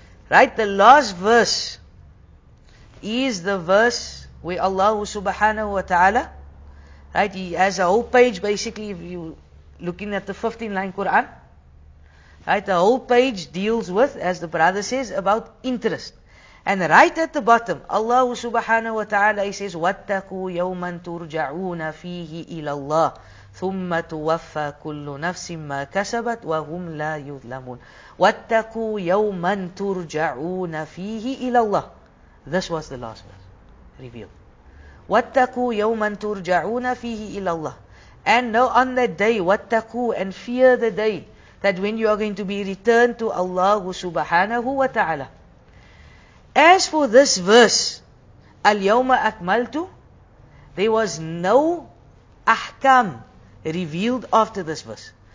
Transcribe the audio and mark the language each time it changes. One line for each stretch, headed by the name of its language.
English: Right, the last verse is the verse where Allah subhanahu wa ta'ala, right, he has a whole page basically, if you looking at the 15 line Quran, right, the whole page deals with, as the brother says, about interest. And right at the bottom, Allah subhanahu wa ta'ala, he says,
Arabic: وَاتَّقُوا يَوْمًا تُرْجَعُونَ فِيهِ إِلَى اللَّهِ ثُمَّ تُوَفَّى كُلُّ نَفْسٍ مَّا كَسَبَتْ وَهُمْ لَا يُظْلَمُونَ وَاتَّقُوا يَوْمًا تُرْجَعُونَ فِيهِ إِلَى اللَّهِ.
English: This was the last verse revealed.
Arabic: وَاتَّقُوا يَوْمًا تُرْجَعُونَ فِيهِ إِلَى اللَّهِ.
English: And now on that day,
Arabic: وَاتَّقُوا,
English: and fear the day that when you are going to be returned to Allah subhanahu wa ta'ala. As for this verse, Al-Yawma Akmaltu, there was no ahkam revealed after this verse.